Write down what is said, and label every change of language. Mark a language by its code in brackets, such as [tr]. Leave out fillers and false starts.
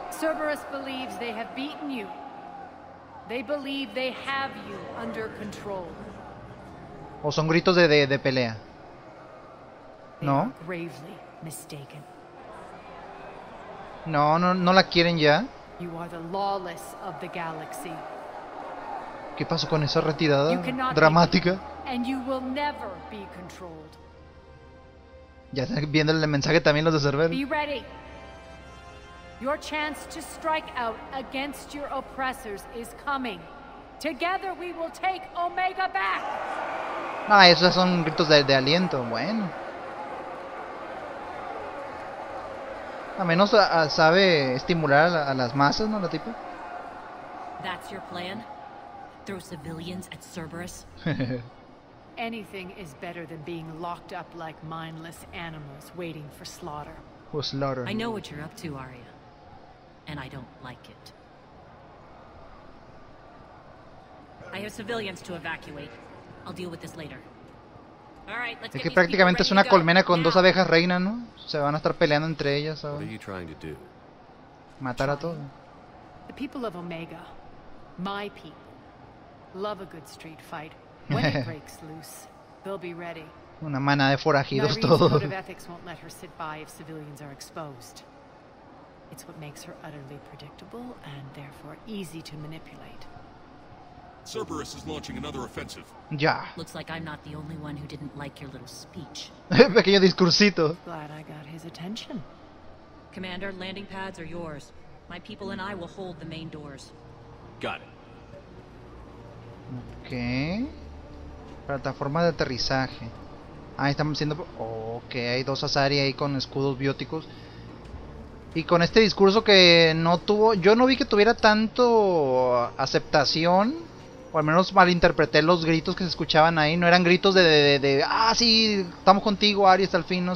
[en] Cerberus believes they have beaten you. They believe they have you under control. [es] ¿O son gritos de pelea? ¿No? [en] Gravely mistaken. [es] No la quieren ya. [en] You are the lawless of the galaxy. [es] ¿Qué pasó con esa retirada dramática? [en] And you will never be controlled. [es] Ya están viendo el mensaje también los de Cerberus. [en] Be ready. Your chance to strike out against your oppressors is coming. Together we will take Omega back. [es] Ah, esos son gritos de aliento. Bueno. A menos sabe estimular a las masas, ¿no? La tipa. [en] That's your plan. Throw civilians at Cerberus. Anything is better than being locked up like mindless animals waiting for slaughter. Who's slaughter? I know what you're up to, Aria. And I don't like it. I have civilians to evacuate. I'll deal with this later. All right, let's [es] es que prácticamente es una colmena con dos abejas reinas, ¿no? Se van a estar peleando entre ellas ahora. [en] What are you trying to do? [es] Matar a todos. [en] The people of Omega, my people, love a good street fight. When it breaks loose, they'll be ready. [es] Una manada de forajidos todos. [en] Nyrene's code of ethics won't let her sit by if civilians are exposed. It's what makes her utterly predictable and therefore easy to manipulate. Cerberus is launching another offensive. [es] Ya. [en] Looks like I'm not the only one who didn't like your little speech. [es] Pequeño discursito. [en] Glad I got his attention. Commander, landing pads are yours. My people and I will hold the main doors. Got it. Okay. [es] Plataforma de aterrizaje. Ahí estamos siendo. Ok, hay dos Asari ahí con escudos bióticos. Y con este discurso que no tuvo. Yo no vi que tuviera tanto aceptación. O al menos malinterpreté los gritos que se escuchaban ahí. No eran gritos de ah, sí, estamos contigo, Ari, hasta el fin, ¿no?